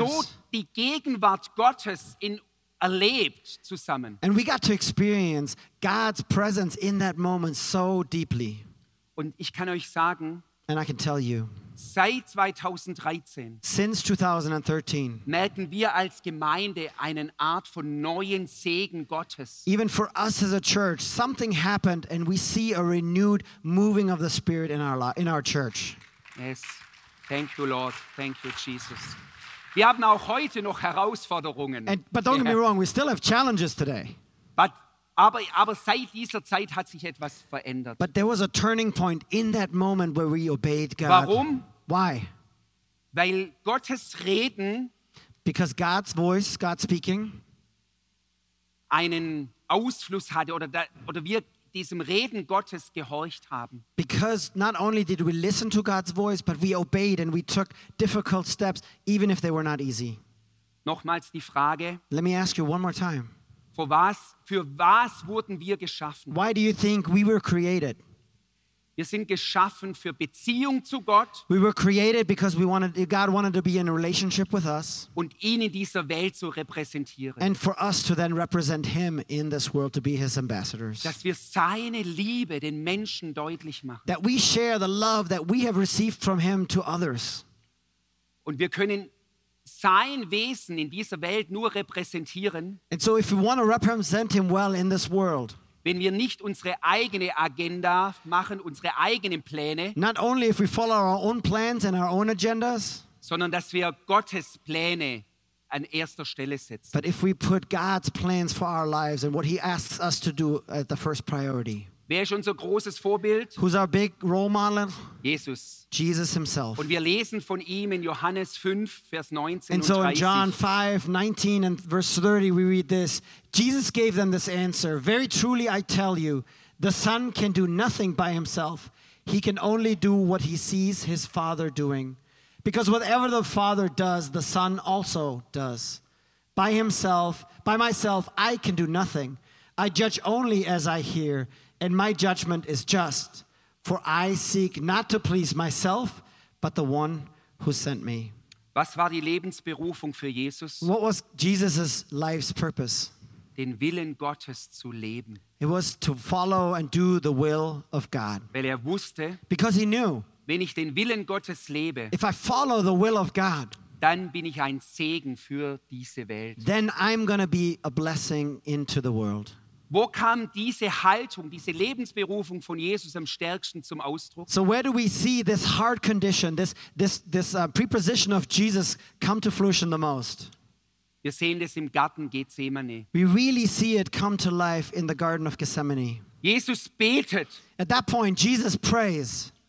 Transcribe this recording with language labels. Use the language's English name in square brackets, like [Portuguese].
[German] Und haben so die Gegenwart Gottes in erlebt zusammen. [English] And we got to experience God's presence in that moment so deeply. [German] Und ich kann euch sagen, [English] and I can tell you, [German] seit 2013, [English] since 2013, [German] merken wir als Gemeinde eine Art von neuen Segen Gottes. [English] Even for us as a church, something happened and we see a renewed moving of the Spirit in our church. Yes. Thank you, Lord. Thank you, Jesus. [German] Wir haben auch heute noch Herausforderungen. [English] But don't get me wrong, we still have challenges today. [German] Aber seit dieser Zeit hat sich etwas verändert. [English] But there was a turning point in that moment where we obeyed God. [German] Warum? [English] Why? [German] Weil Gottes Reden, [English] because God's voice, God speaking, [German] einen Ausfluss hatte oder wir diesem Reden Gottes gehorcht haben. [English] Because not only did we listen to God's voice, but we obeyed and we took difficult steps, even if they were not easy. [German] Nochmals die Frage. [English] Let me ask you one more time. [German] Für was wurden wir geschaffen? [English] Why do you think we were created? [German] Wir sind geschaffen für Beziehung zu Gott. [English] We were created because God wanted to be in a relationship with us. [German] Und ihn in dieser Welt zu repräsentieren. [English] And for us to then represent him in this world, to be his ambassadors. [German] Dass wir seine Liebe den Menschen deutlich machen. [English] That we share the love that we have received from him to others. [German] Und wir können sein Wesen in dieser Welt nur repräsentieren. [English] And so if we want to represent him well in this world, [German] wenn wir nicht unsere eigene Agenda machen, unsere eigenen Pläne, [English] not only if we follow our own plans and our own agendas, [German] sondern dass wir Gottes Pläne an erster Stelle setzen. [English] But if we put God's plans for our lives and what he asks us to do at the first priority. [German] Wer ist unser großes Vorbild? [English] Who's our big role model? [German] Jesus. [English] Jesus himself. [German] Und wir lesen von ihm in Johannes 5, Vers 19 [English] and [German] und 30. [English] So in John 5, 19 and verse 30, we read this. Jesus gave them this answer. Very truly I tell you, the Son can do nothing by himself. He can only do what he sees his Father doing. Because whatever the Father does, the Son also does. By myself, I can do nothing. I judge only as I hear. And my judgment is just, for I seek not to please myself, but the one who sent me. [German] Was war die Lebensberufung für Jesus? [English] What was Jesus' life's purpose? [German] Den Willen Gottes zu leben. [English] It was to follow and do the will of God. [German] Weil er wusste, [English] because he knew, [German] wenn ich den Willen Gottes lebe, [English] if I follow the will of God, [German] dann bin ich ein Segen für diese Welt. [English] Then I'm going to be a blessing into the world. [German] Wo kam diese Haltung, diese Lebensberufung von Jesus am stärksten zum Ausdruck? [English] So where do we see this heart condition, this preposition of Jesus come to fruition the most? [German] Wir sehen das im Garten Gethsemane. [English] We really see it come to life in the Garden of Gethsemane. [German] Jesus betet. [English] At that point, Jesus prays.